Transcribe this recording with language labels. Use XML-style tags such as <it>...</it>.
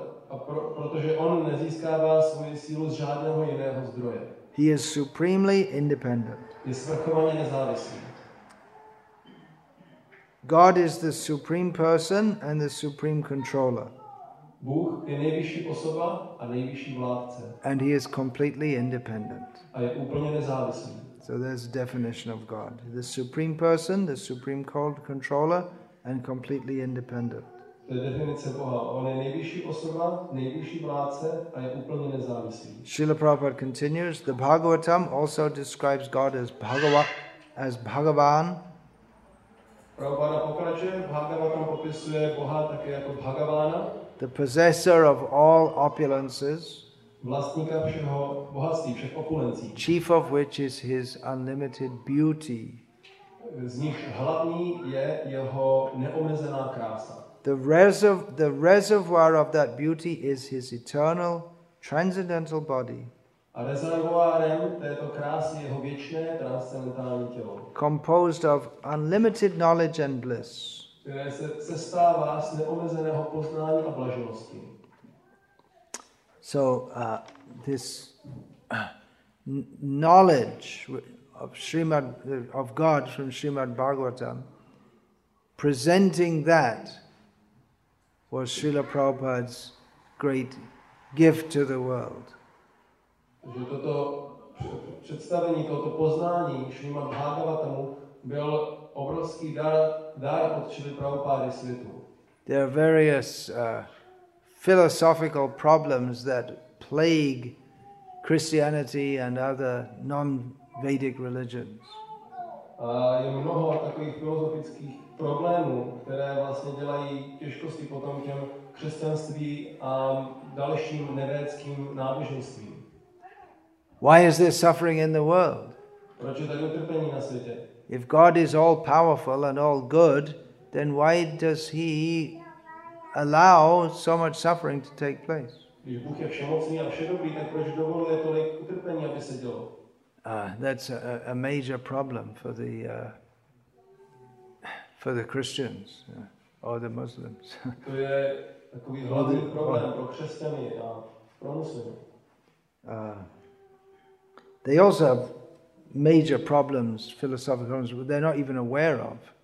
<cs>A protože on nezískává svoji sílu z žádného jiného zdroje.</cs> <en>He is supremely independent.</en> <cs>Je svrchovaně nezávislý.</cs> <en>God is the supreme person and the supreme controller.</en> <cs>Bůh je nejvyšší osoba a nejvyšší vládce.</cs> <en>And he is completely independent.</en> <cs>A je úplně nezávislý.</cs> <en>So there's a definition of God. The supreme person, the supreme called controller, and completely independent.</en> <cs>To je definice Boha. On je nejvyšší osoba, nejvyšší vládce a je úplně nezávislý.</cs> <en>Srila Prabhupada continues, the Bhagavatam also describes God as Bhagavan,</en> <cs>Prabhupada pokračuje, Bhagavatam popisuje Boha také jako Bhagavana,</cs> <en>the possessor of all opulences,</en> <cs>vlastníka všeho bohatství, všech opulencí,</cs> <en>chief of which is his unlimited beauty,</en> <cs>z nich hlavní je jeho neomezená krása.</cs> <en>The reservoir of that beauty is his eternal transcendental body.</en> <cs>A rezervoárem této krásy jeho věčné transcendentální tělo.</cs> <en>Composed of unlimited knowledge and bliss.</en> <cs>Které se sestává z neomezeného poznání a blaženosti.</cs> <en>So this knowledge of Srimad of God from Srimad Bhagavatam, presenting that was Srila Prabhupada's great gift to the world.</en> <cs>Že toto představení, toto poznání Srimad Bhagavatamu byl obrovský dar od Srila Prabhupády světu.</cs> <en>There are various philosophical problems that plague Christianity and other non-Vedic religions.</en> <cs>A je mnoho takových filozofických problémů, které vlastně dělají těžkosti potom těm křesťanství a dalším nevédským náboženstvím.</cs> <en>Why is there suffering in the world?</en> <cs>Proč je tady utrpení na světě?</cs> <en>If God is all powerful and all good, then why does he allow so much suffering to take place?</en> <cs>Když Bůh je všemocný a všedobrý, tak proč dovoluje tolik utrpení, aby se dělo?</cs> <en>That's a major problem for the Christians or the Muslims.</en> <cs>To je takový hlavní problém pro křesťany a pro muslimy.</cs> <en>They also have major problems, philosophical problems, but they're not even aware of.</en>